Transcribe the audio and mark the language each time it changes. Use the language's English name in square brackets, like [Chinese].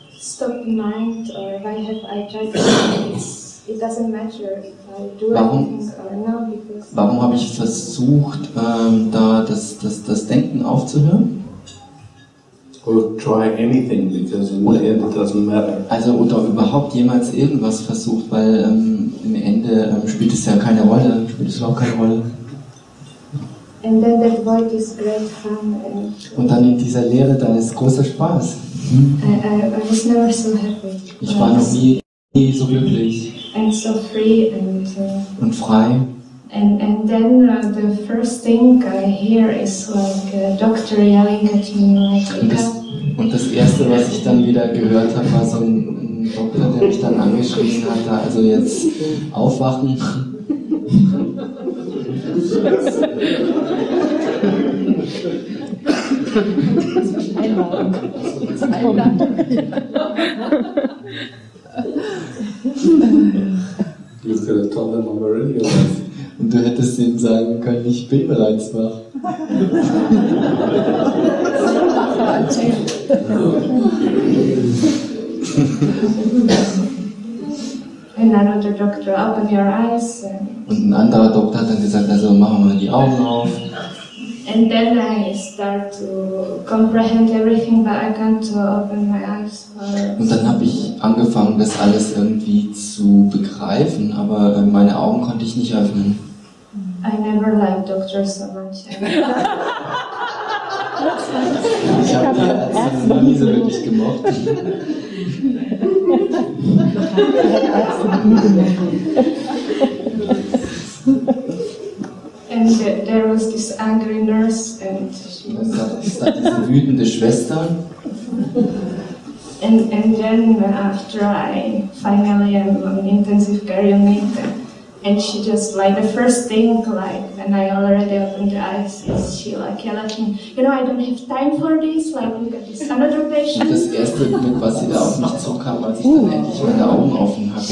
[English] Stop mind, or why have I tried to it doesn't matter if I do anything or not, because [German] warum habe ich versucht, da das Denken aufzuhören? [English] or try anything, because in the end it doesn't matter. [German] Also oder überhaupt jemals irgendwas versucht, weil im Ende spielt es ja keine Rolle, spielt es überhaupt keine Rolle. [English] And then that void is great fun. [German] Und dann in dieser Leere, da ist großer Spaß. [English] I was never so happy. [German] Ich war noch nie so glücklich. [English] And so free [German] und frei. [English] And then the first thing I hear is like a doctor yelling at me like. [German] Und das erste, was ich dann wieder gehört habe, war so ein Doktor, der mich dann angeschrien hat, da also jetzt aufwachen. [English] You could have told them I'm already alive. [German] Und du hättest ihnen sagen können, ich bin bereits wach. [English] Another doctor, open your eyes. [German] Und ein anderer Doktor hat dann gesagt, also machen wir die Augen auf. [English] And then I start to comprehend everything, but I can't open my eyes. [German] Und dann habe ich angefangen, das alles irgendwie zu begreifen, aber meine Augen konnte ich nicht öffnen. [English] I never liked doctors so much. [German] Ich habe die Ärzte noch nie so wirklich gemocht. [English] And there was this angry nurse, and she was. [German] Diese wütende Schwester. [English] And then after I finally am on intensive care unit, and she just like the first thing like when I already opened the eyes is she like yelled at me, you know, I don't have time for this, like look at this another patient. [German] Das erste, mit was sie da auf mich zukam, als ich dann endlich meine Augen offen hatte,